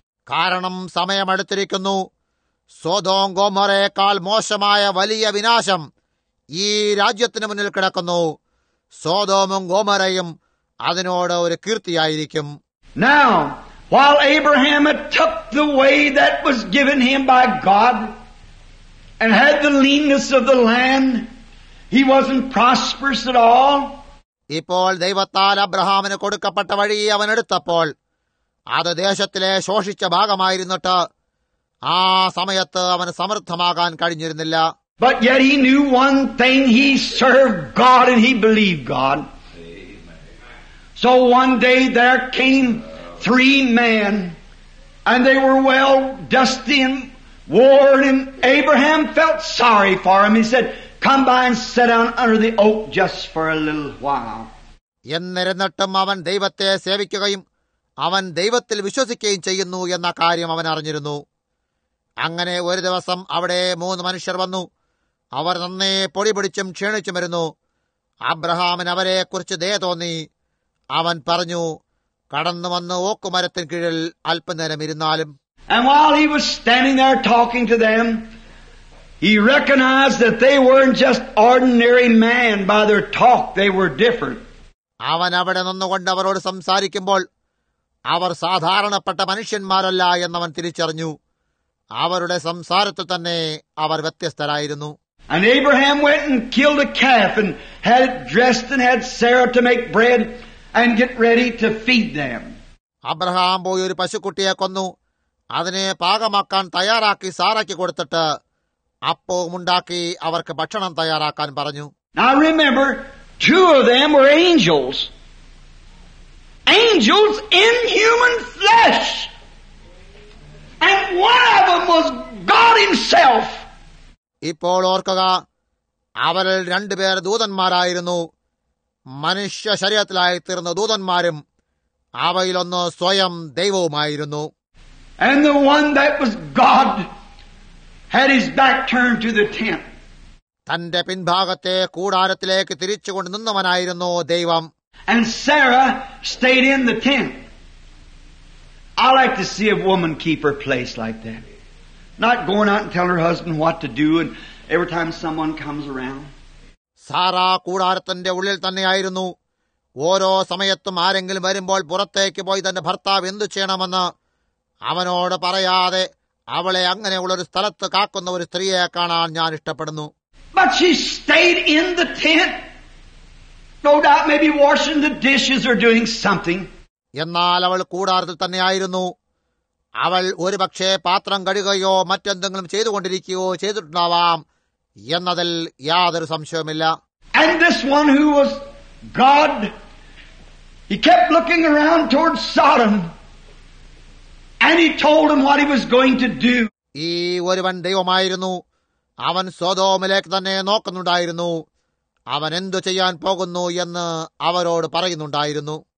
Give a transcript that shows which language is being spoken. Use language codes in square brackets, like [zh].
[ml] കാരണം സമയമെടുത്തിരിക്കുന്നു. സൊദോം ഗൊമോറയേക്കാൾ മോശമായ വലിയ വിനാശം ഈ രാജ്യത്തിന് മുന്നിൽ കിടക്കുന്നു. സൊദോമും ഗൊമോറയും അതിനോട് ഒരു കീർത്തിയായിരിക്കും. [en] Now, while Abraham had took the way that was given him by God and had the leanness of the land, he wasn't prosperous at all. [ml] ഇപ്പോൾ ദൈവത്താൽ അബ്രഹാമിന് കൊടുക്കപ്പെട്ട വഴി അവൻ എടുത്തപ്പോൾ അത് ദേശത്തിലെ ശോഷിച്ച ഭാഗമായിരുന്നിട്ട് ആ സമയത്ത് അവന് സമൃദ്ധമാകാൻ കഴിഞ്ഞിരുന്നില്ല. [en] But yet he knew one thing, he served God and he believed God. So one day there came three men and they were well dusty and worn, and Abraham felt sorry for him. He said, come by and sit down under the oak just for a little while. [ml] എന്നിരുന്നിട്ടും അവൻ ദൈവത്തെ സേവിക്കുകയും അവൻ ദൈവത്തിൽ വിശ്വസിക്കുകയും ചെയ്യുന്നു എന്ന കാര്യം അവൻ അറിഞ്ഞിരുന്നു. അങ്ങനെ ഒരു ദിവസം അവിടെ മൂന്ന് മനുഷ്യർ വന്നു. അവർ നന്നേ പൊടി പിടിച്ചും ക്ഷീണിച്ചും വരുന്നു. അബ്രഹാമിന് അവരെ കുറിച്ച് ദയ തോന്നി. അവൻ പറഞ്ഞു, കടന്നു വന്ന് ഓക്കുമരത്തിന് കീഴിൽ അല്പനേരം ഇരുന്നാലും. [en] And while he was standing there talking to them, he recognized that they weren't just ordinary men by their talk, they were different. [ml] അവൻ അവിടെ നിന്നുകൊണ്ട് അവരോട് സംസാരിക്കുമ്പോൾ അവർ സാധാരണപ്പെട്ട മനുഷ്യന്മാരല്ല എന്നവൻ തിരിച്ചറിഞ്ഞു. അവരുടെ സംസാരത്തിൽ തന്നെ അവർ വ്യത്യസ്തരായിരുന്നു. [en] And Abraham went and killed a calf and had it dressed and had Sarah to make bread and get ready to feed them. [ml] Abraham പോയി ഒരു പശുക്കുട്ടിയെ കൊന്നു. അതിനെ പാകമാക്കാൻ തയ്യാറാക്കി സാറയ്ക്ക് കൊടുത്തിട്ട് അപ്പവുമുണ്ടാക്കി അവർക്ക് ഭക്ഷണം തയ്യാറാക്കാൻ പറഞ്ഞു. [en] Now remember, two of them were angels. Angels in human flesh. And one of them was God himself. [ml] ഇപ്പോൾ ഓർക്കുക, അവരിൽ രണ്ടുപേർ ദൂതന്മാരായിരുന്നു. മനുഷ്യ ശരീരത്തിലായി തീർന്ന ദൂതന്മാരും അവയിലൊന്ന് സ്വയം ദൈവവുമായിരുന്നു. [en] And the one that was God had his back turned to the tent. [ml] തന്റെ പിൻഭാഗത്തെ കൂടാരത്തിലേക്ക് തിരിച്ചുകൊണ്ട് നിന്നവനായിരുന്നു ദൈവം. [en] And Sarah stayed in the tent. I like to see a woman keep her place like that. Not going out and telling her husband what to do and every time someone comes around. [ml] Sara കൂടാരത്തിന്റെ ഉള്ളിൽ തന്നെയായിരുന്നു. ഓരോ സമയത്തും ആരെങ്കിലും വരുമ്പോൾ പുറത്തേക്ക് പോയി തന്റെ ഭർത്താവ് എന്തു ചെയ്യണമെന്ന് അവനോട് പറയാതെ അവളെ അങ്ങനെയുള്ള ഒരു സ്ഥലത്ത് കാക്കുന്ന ഒരു സ്ത്രീയെ കാണാൻ ഞാൻ ഇഷ്ടപ്പെടുന്നു. [en] But she stayed in the tent. No doubt maybe washing the dishes or doing something. [ml] എന്നാൽ അവൾ കൂടാരത്തിൽ തന്നെയായിരുന്നു. അവൾ ഒരുപക്ഷെ പാത്രം കഴുകുകയോ മറ്റെന്തെങ്കിലും ചെയ്തുകൊണ്ടിരിക്കുകയോ ചെയ്തിട്ടുണ്ടാവാം എന്നതിൽ യാതൊരു സംശയവുമില്ല. [en] And this one who was God, he kept looking around towards Sodom and he told him what he was going to do. [ml] ഈ ഒരുവൻ ദൈവമായിരുന്നു. അവൻ സൊദോമിലേക്ക് തന്നെ നോക്കുന്നുണ്ടായിരുന്നു. അവൻ എന്തു ചെയ്യാൻ പോകുന്നു എന്ന് അവരോട് പറയുന്നുണ്ടായിരുന്നു.